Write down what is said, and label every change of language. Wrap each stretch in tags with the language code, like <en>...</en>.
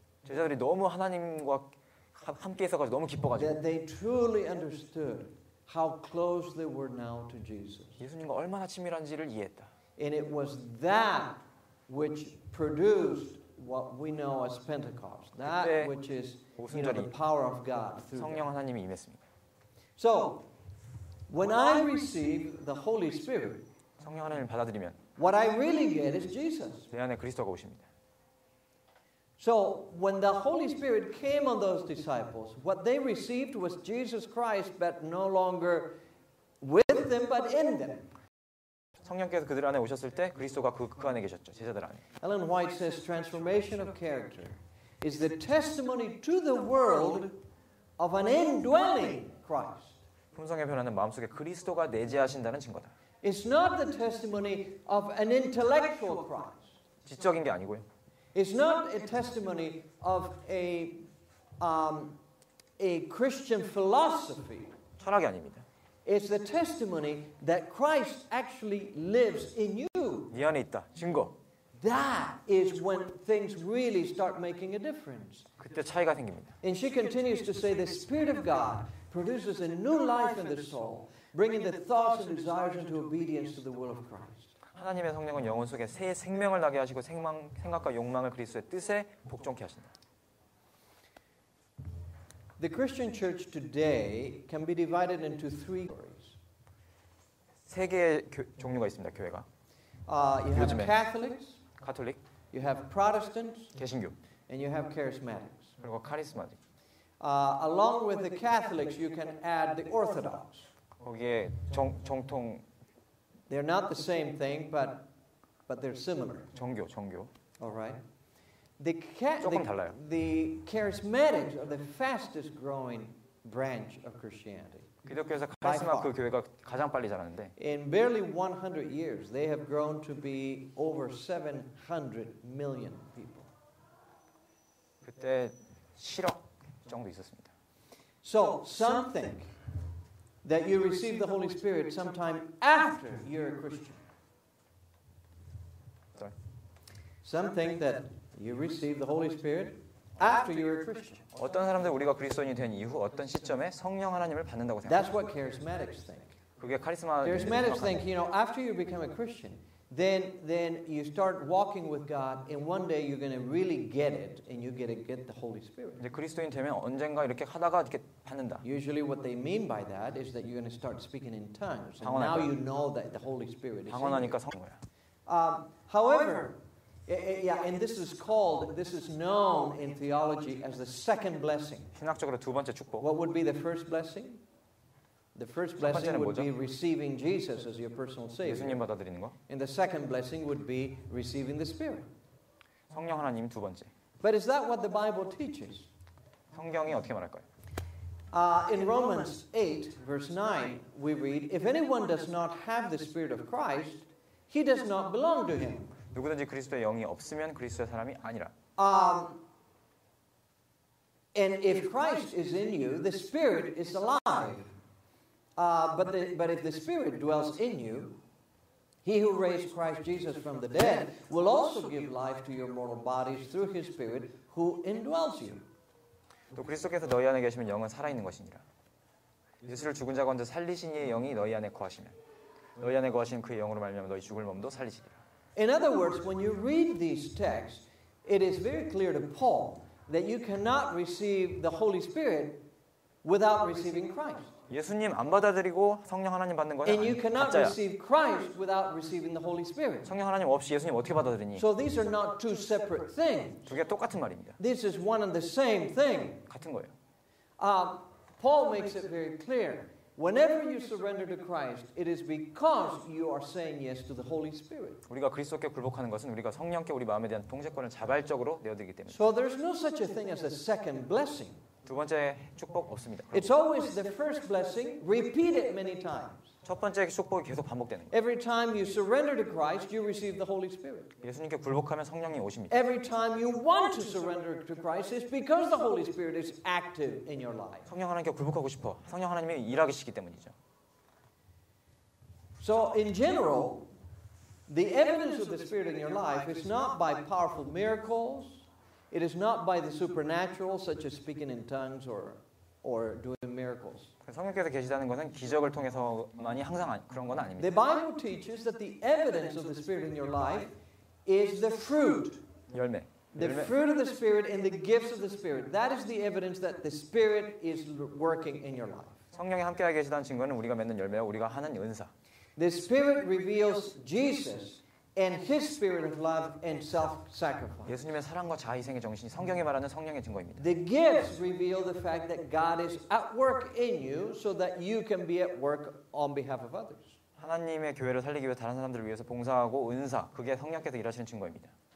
<ko>제자들이 너무 하나님과 함께해서가지고 너무 기뻐가지고.</ko> <en>That they truly understood how close they were now to Jesus.</en> <ko>예수님과 얼마나 친밀한지를 이해했다.</ko> <en>And it was that which produced what we know as Pentecost, that which is you know, the power of God through.</en> <ko>성령 하나님이 임했습니다.</ko> <en>So, when I receive the Holy Spirit,</en> <ko>성령 하나님을 받아들이면,</ko> <en>what I really get is Jesus.</en> <ko>내 안에 그리스도가 오십니다.</ko> <en>So, when the Holy Spirit came on those disciples, what they received was Jesus Christ, but no longer with them, but in them.</en> <ko>성령께서 그들 안에 오셨을 때 그리스도가 그 안에 계셨죠. 제자들 안에.</ko> <en>Ellen White says transformation of character is the testimony to the world of an indwelling Christ.</en> <ko>품성의 변화는 마음속에 그리스도가 내재하신다는 증거다.</ko> <en>It's not the testimony of an intellectual Christ.</en> <ko>지적인 게 아니고요.</ko> <en>It's not a testimony of a Christian philosophy.</en> <ko>철학이 아닙니다.</ko> <en>It's the testimony that Christ actually lives in you.</en> <ko>네 안에 있다. 증거.</ko> <en>That is when things really start making a difference.</en> <ko>그때 차이가 생깁니다.</ko> <en>And she continues to say the Spirit of God produces a new life in the soul, bringing the thoughts and desires into obedience to the will of Christ.</en> <ko>하나님의 성령은 영혼 속에 새 생명을 나게 하시고 생각과 욕망을 그리스도의 뜻에 복종케 하신다.</ko> <en>The Christian church today can be divided into three categories.</en> <ko>세 개의 종류가 있습니다. 교회가.</ko> <en>You have Catholics, Catholic. You have Protestants,</en> <ko>개신교.</ko> <en>And you have Charismatics.</en> <ko>그리고 카리스마틱.</ko> <en>Along with the Catholics, you can add the Orthodox.</en> <ko>거기에 정통.</ko> <en>They're not the same thing, but they're similar.</en> <ko>정교.</ko> <en>All right. The charismatic are the fastest growing branch of Christianity.</en> <ko>기독교에서 카리스마 그 교회가 가장 빨리 자랐는데.</ko> <en>In barely 100 years, they have grown to be over 700 million people.</en> <ko>그때 7억 정도 있었습니다.</ko> <en>So some think that you receive the Holy Spirit sometime after you're a Christian. Sorry. Some think that you receive the Holy Spirit after you're a Christian.</en> <ko>어떤 사람들 우리가 그리스도인이 된 이후 어떤 시점에 성령 하나님을 받는다고 생각해요?</ko> <en>That's what charismatics think.</en> <ko>그게 카리스마들.</ko> <en>Charismatics think, you know, after you become a Christian, then you start walking with God, and one day you're going to really get it, and you're going to get the Holy Spirit.</en> <ko>이제 그리스도인 되면 언젠가 이렇게 하다가 이렇게 받는다.</ko> <en>Usually, what they mean by that is that you're going to start speaking in tongues, and now you know that the Holy Spirit is.</en> <ko>방언하니까 성.</ko> <en>However. Yeah, and this is known in theology as the second blessing.</en> <ko>신학적으로 두 번째 축복.</ko> <en>What would be the first blessing? The first blessing would be receiving Jesus as your personal savior.</en> <ko>예수님 받아들이는 거.</ko> <en>And the second blessing would be receiving the Spirit.</en> <ko>성령 하나님 두 번째.</ko> <en>But is that what the Bible teaches?</en> <ko>성경이 어떻게 말할까요?</ko> <en>In Romans 8, verse 9, we read, if anyone does not have the Spirit of Christ, he does not belong to him.</en> <ko>누구든지 그리스도의 영이 없으면 그리스도의 사람이 아니라.</ko> <en>And if Christ is in you, the Spirit is alive. But if the Spirit dwells in you, he who raised Christ Jesus from the dead will also give life to your mortal bodies through his Spirit who indwells you.</en> <ko>또 그리스도께서 너희 안에 계시면 영은 살아있는 것이니라. 예수를 죽은 자 가운데 살리신 이의 영이 너희 안에 거하시면 너희 안에 거하신 그의 영으로 말미암아 너희 죽을 몸도 살리시리라.</ko> <en>In other words, when you read these texts, it is very clear to Paul that you cannot receive the Holy Spirit without receiving Christ.</en> <ko>예수님 안 받아들이고 성령 하나님 받는 거냐?</ko> <en>And you cannot receive Christ without receiving the Holy Spirit.</en> <ko>성령 하나님 없이 예수님 어떻게 받아들이니?</ko> <en>So these are not two separate things.</en> <ko>두 개 똑같은 말입니다.</ko> <en>This is one and the same thing.</en> <ko>같은 거예요.</ko> <en>Paul makes it very clear. Whenever you surrender to Christ, it is because you are saying yes to the Holy Spirit.</en> <ko>우리가 그리스도께 굴복하는 것은 우리가 성령께 우리 마음에 대한 통제권을 자발적으로 내어드리기 때문입니다.</ko> <en>So there's no such a thing as a second blessing.</en> <ko>두 번째 축복 없습니다.</ko> <en>It's always the first blessing repeated many times.</en> <ko>첫 번째 축복이 계속 반복되는 거예요.</ko> <en>Every time you surrender to Christ, you receive the Holy Spirit.</en> <ko>예수님께 굴복하면 성령이 오십니다.</ko> <en>Every time you want to surrender to Christ, it's because the Holy Spirit is active in your life.</en> <ko>성령 하나님께 굴복하고 싶어. 성령 하나님이 일하시기 때문이죠.</ko> <en>So in general, the evidence of the Spirit in your life is not by powerful miracles. It is not by the supernatural, such as speaking in tongues or doing miracles.</en> <ko>성령께서 계시다는 것은 기적을 통해서만이 항상 그런 건 아닙니다.</ko> <en>The Bible teaches that the evidence of the Spirit in your life is the fruit.</en> <ko>열매.</ko> <en>The fruit of the Spirit and the gifts of the Spirit. That is the evidence that the Spirit is working in your life.</en> <ko>성령이 함께하고 계시다는 증거는 우리가 맺는 열매와 우리가 하는 은사.</ko> <en>The Spirit reveals Jesus and His Spirit of love and self-sacrifice.</en> <ko>예수님의 사랑과 자아희생의 정신이 성경에 말하는 성령의 증거입니다.</ko> <en>The gifts reveal the fact that God is at work in you so that you can be at work on behalf of others.</en> <ko>하나님의 교회를 살리기 위해 다른 사람들을 위해서 봉사하고 은사, 그게 성령께서 일하시는 증거입니다.</ko>